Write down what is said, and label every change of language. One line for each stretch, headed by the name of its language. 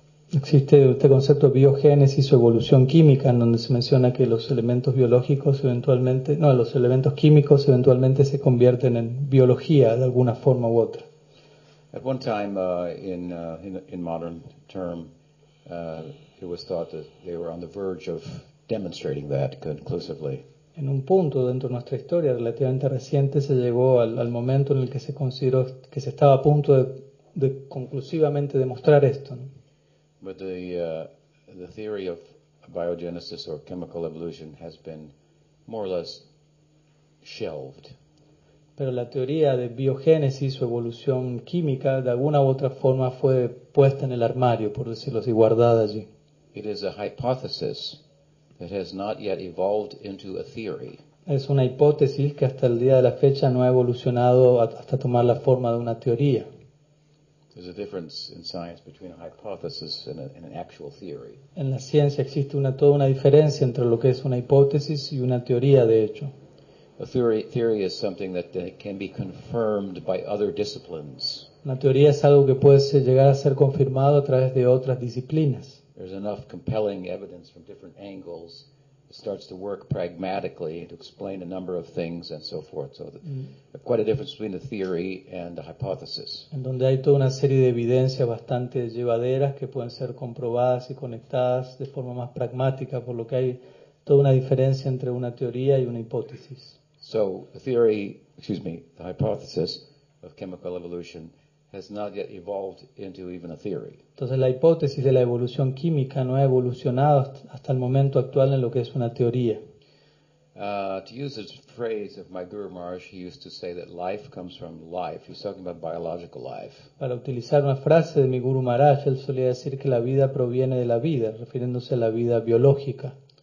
Spanish: Existe este concepto de biogénesis o evolución química en donde se menciona que los elementos biológicos eventualmente, no, los elementos químicos eventualmente se convierten en biología de alguna forma u otra.
English: At one time in modern term it was thought that they were on the verge of demonstrating that conclusively.
Spanish: En un punto dentro de nuestra historia relativamente reciente se llegó al momento en el que se consideró que se estaba a punto de conclusivamente demostrar esto, ¿no?
English: But the theory of biogenesis or chemical evolution has been more or less shelved.
Spanish: Pero la teoría de biogénesis o evolución química de alguna u otra forma fue puesta en el armario, por decirlo así, guardada allí.
English: It is a hypothesis that has not yet evolved into a theory.
Spanish: Es una hipótesis que hasta el día de la fecha no ha evolucionado hasta tomar la forma de una teoría.
English: There's a difference in science between a hypothesis and an actual theory.
Spanish: En la ciencia existe toda una diferencia entre lo que es una hipótesis y una teoría, de hecho.
English: A theory is something that can be confirmed by other disciplines.
Spanish: Una teoría es algo que puede llegar a ser confirmado a través de otras disciplinas.
English: There's enough compelling evidence from different angles. It starts to work pragmatically to explain a number of things and so forth. So quite a difference between the theory and the hypothesis.
Spanish: En donde hay toda una serie de evidencias bastante llevaderas que pueden ser comprobadas y conectadas de forma más pragmática, por lo que hay toda una diferencia entre una teoría y una hipótesis.
English: So the hypothesis of chemical evolution has not yet evolved into even a theory.
Spanish: Entonces la hipótesis de la evolución química no ha evolucionado hasta el momento actual en lo que es una teoría.
English: To use a phrase of my guru Maharaj, he used to say that life comes from life. He's talking about biological life.
Spanish: Para utilizar una frase de mi guru Maharaj, él solía decir que la vida proviene de la vida, refiriéndose a la vida biológica.